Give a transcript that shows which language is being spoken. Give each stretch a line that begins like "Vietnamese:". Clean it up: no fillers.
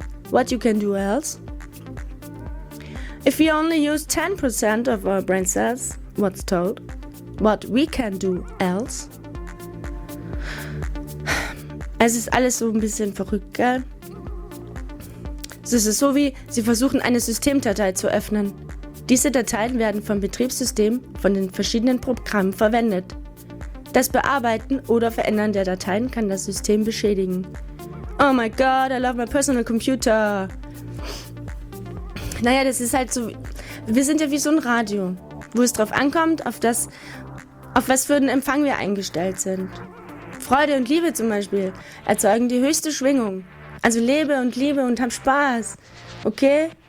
English: What you can do else? If we only use 10% of our brain cells, what's told? What we can do else?
German: Es ist alles so ein bisschen verrückt, gell? Es ist so, wie sie versuchen, eine Systemdatei zu öffnen. Diese Dateien werden vom Betriebssystem von den verschiedenen Programmen verwendet. Das Bearbeiten oder Verändern der Dateien kann das System beschädigen.
English: Oh my God, I love my personal computer.
German: Naja, das ist halt so, wir sind ja wie so ein Radio, wo es drauf ankommt, auf was für einen Empfang wir eingestellt sind. Freude und Liebe zum Beispiel erzeugen die höchste Schwingung. Also lebe und liebe und hab Spaß, okay?